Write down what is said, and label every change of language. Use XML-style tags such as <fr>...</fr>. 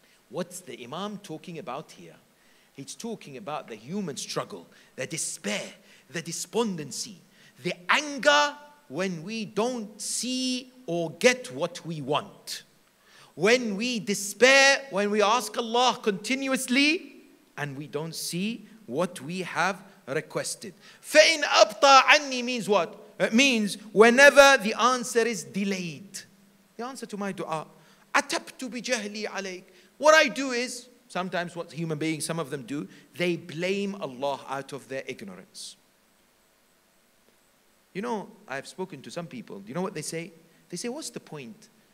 <en>What's the Imam talking about here? He's talking about the human struggle, the despair, the despondency, the anger when we don't see or get what we want. When we despair, when we ask Allah continuously and we don't see what we have requested.</en> <ar>فَإِنْ أَبْطَى عَنِّي</ar> <en>means what? It means whenever the answer is delayed. The answer to my dua,</en> <ar>أَتَبْتُ بِجَهْلِي عَلَيْكَ.</ar> <en>What I do is, sometimes what human beings, some of them do, they blame Allah out of their ignorance. You know, I've spoken to some people. Do you know what they say? They say, what's the point?</en>